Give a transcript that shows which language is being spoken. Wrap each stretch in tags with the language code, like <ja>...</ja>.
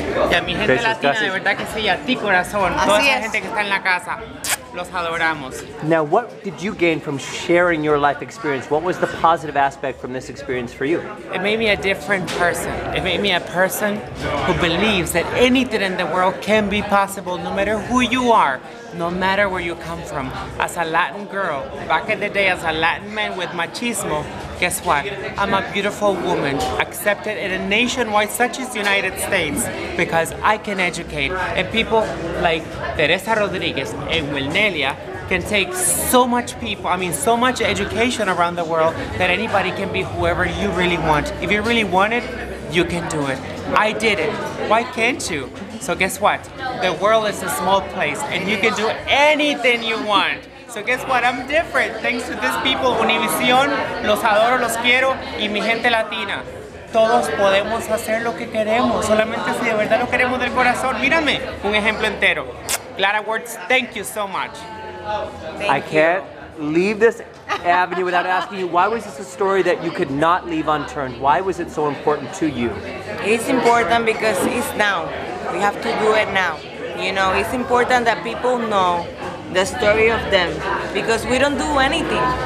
<es>Y a mi gente gracias, latina, gracias. De verdad que sí, a ti corazón, así toda es. La gente que está en la casa, los adoramos.</es> <en>Now, what did you gain from sharing your life experience? What was the positive aspect from this experience for you? It made me a different person. It made me a person who believes that anything in the world can be possible, no matter who you are. No matter where you come from, as a Latin girl, back in the day as a Latin man with machismo, guess what? I'm a beautiful woman, accepted in a nationwide such as the United States, because I can educate. And people like Teresa Rodríguez and Wilnelia can take so much people, I mean, so much education around the world that anybody can be whoever you really want. If you really want it, you can do it. I did it. Why can't you? So guess what? The world is a small place and you can do anything you want. So guess what? I'm different. Thanks to these people, Univision,</en> <es>los adoro, los quiero, y mi gente latina. Todos podemos hacer lo que queremos, solamente si de verdad lo queremos del corazón. Mírame, un ejemplo entero.</es> <en>GLAAD Awards, thank you so much. I can't leave this avenue without asking you, why was this a story that you could not leave unturned? Why was it so important to you? It's important because it's now. We have to do it now. You know, it's important that people know the story of them, because we don't do anything.</en>